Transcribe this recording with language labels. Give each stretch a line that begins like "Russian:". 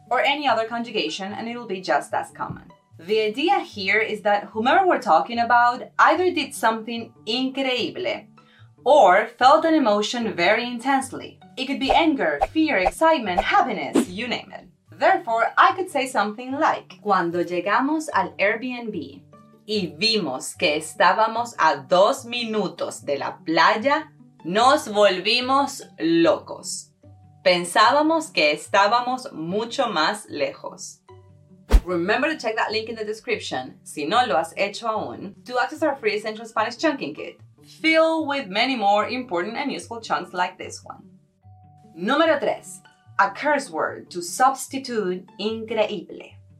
English: or any other conjugation and it'll be just as common. The idea here is that whomever we're talking about either did something increíble or felt an emotion very intensely. It could be anger, fear, excitement, happiness, you name it. Therefore, I could say something like
Spanish: cuando llegamos al Airbnb y vimos que estábamos a 2 minutos de la playa, nos volvimos locos. Pensábamos que estábamos mucho más lejos.
English: Remember to check that link in the description,
Spanish: si no lo has hecho aún,
English: to access our free Essential Spanish Chunking Kit, filled with many more important and useful chunks like this one.
Spanish: Número 3.
English: A curse word to substitute increíble.